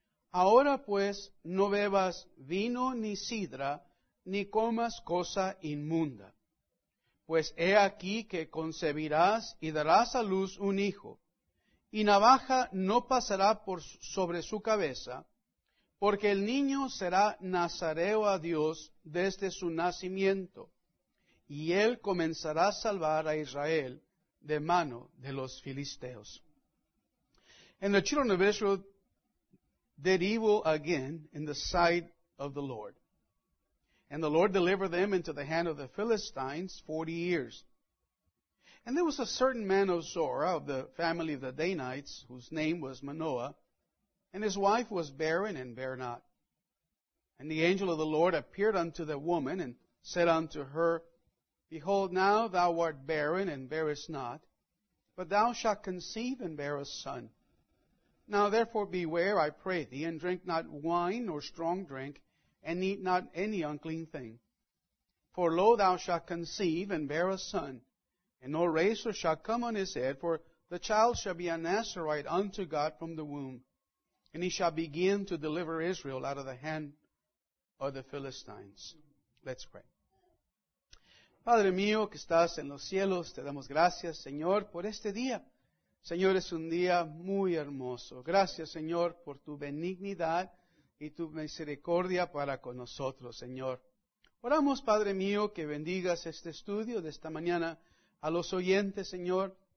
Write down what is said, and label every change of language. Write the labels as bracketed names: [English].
[Spanish] Ahora pues no bebas vino ni sidra, ni comas cosa inmunda, pues he aquí que concebirás y darás a luz un hijo, y navaja no pasará por sobre su cabeza, porque el niño será nazareo a Dios desde su nacimiento, y él comenzará a salvar a Israel de mano de los filisteos. [English] And the children of Israel did evil again in the sight of the Lord. And the Lord delivered them into the hand of the Philistines 40 years. And there was a certain man of Zora, of the family of the Danites, whose name was Manoah, and his wife was barren and bare not. And the angel of the Lord appeared unto the woman and said unto her, behold, now thou art barren and bearest not, but thou shalt conceive and bear a son. Now therefore beware, I pray thee, and drink not wine nor strong drink, and eat not any unclean thing. For lo, thou shalt conceive and bear a son, and no razor shall come on his head, for the child shall be a Nazarite unto God from the womb, and he shall begin to deliver Israel out of the hand of the Philistines. Let's pray. [Spanish] Padre mío que estás en los cielos, te damos gracias, Señor, por este día. Señor, es un día muy hermoso. Gracias, Señor, por tu benignidad y tu misericordia para con nosotros, Señor. Oramos, Padre mío, que bendigas este estudio de esta mañana a los oyentes, Señor.